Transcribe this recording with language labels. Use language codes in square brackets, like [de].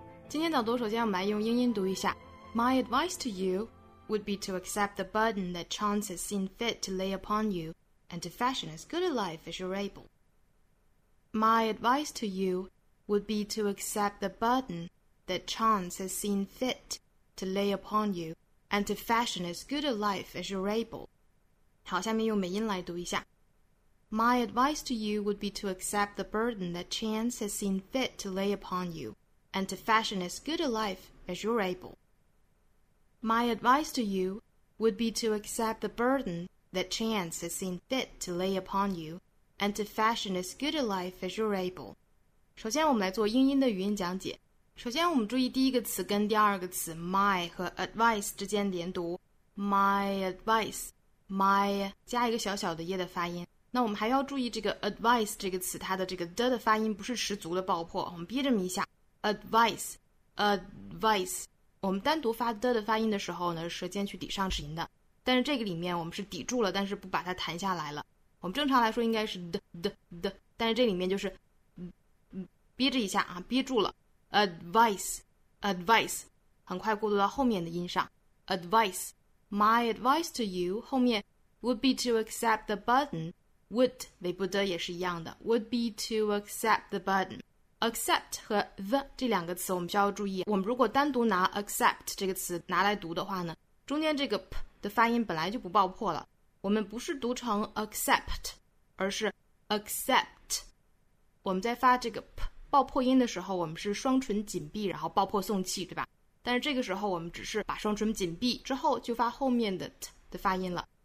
[zh] 今天早读首先我们来用英音读一下。 [en] My advice to you would be to accept the burden that chance has seen fit to lay upon you. And to fashion as good a life as you're able. My advice to you would be to accept the burden that chance has seen fit to lay upon you, and to fashion as good a life as you're able. [zh] 好，下面用美音来读一下。 [en] My advice to you would be to accept the burden that chance has seen fit to lay upon you, and to fashion as good a life as you're able. My advice to you would be to accept the burdenThat chance has seen fit to lay upon you, and to fashion as good a life as you're able. [zh] 首先我们来做英音的语音讲解。首先我们注意第一个词跟第二个词 my 和 advice 之间连读。 [en] My advice, my [zh] 加一个小小的 ye 的发音。那我们还要注意这个 advice 这个词它的这个 的发音不是十足的爆破。我们憋这么一下 [en] ,advice, advice。 [zh] 我们单独发 的发音的时候呢舌尖去抵上齿龈的。但是这个里面我们是抵住了但是不把它弹下来了我们正常来说应该是 的但是这里面就是憋着一下啊憋住了 [en] advice [zh] 很快过渡到后面的音上 [en] advice my advice to you [zh] 后面 [en] would be to accept the burden would [zh] 为不得也是一样的 [en] would be to accept the burden accept [zh] 和 the 这两个词我们需要注意我们如果单独拿 accept 这个词拿来读的话呢中间这个 p的发音本来就不爆破了我们不是读成 accept 而是 accept 我们在发这个 p 爆破音的时候我们是双唇紧闭然后爆破送气对吧但是这个时候我们只是把双唇紧闭之后就发后面的 t 的发音了